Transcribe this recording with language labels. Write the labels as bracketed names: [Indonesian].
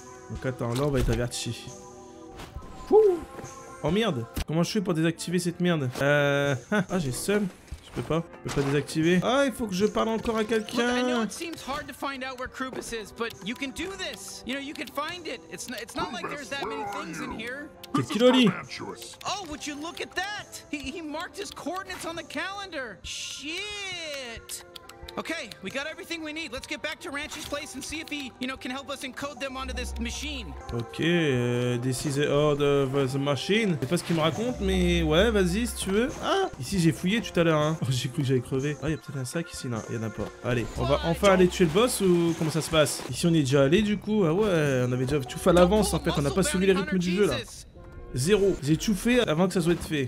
[French] Donc, attends, là, on va être averti. Oh merde! Comment je fais pour désactiver cette merde? Ah, j'ai seum. Je peux pas. Je peux pas désactiver. Ah, il faut que je parle encore à quelqu'un. [English] Look, I know it seems hard to find out where Krubus is, but you can do this. You know, you can find it. It's not like there's that many things in here. [French] C'est Kiloli. [English] Oh, would you look at that? He marked his coordinates on the calendar. Shit! Okay, we got everything we need. Let's get back to Ranchi's place and see if he, you know, can help us encode them onto this machine. Okay, this is the order of the machine. [French] Je sais pas ce qu'il me raconte, mais ouais, vas-y si tu veux. Ah, ici j'ai fouillé tout à l'heure, hein. Oh, j'ai cru que j'allais crever. Ah, il y a peut-être un sac ici. Non, il y en a pas. Allez, on va enfin aller tuer le boss ou comment ça se passe? Ici on est déjà allé du coup. Ah ouais, on avait déjà tout fait à l'avance en fait. On n'a pas suivi les rythmes du jeu là. Zéro. J'ai tout fait avant que ça soit fait.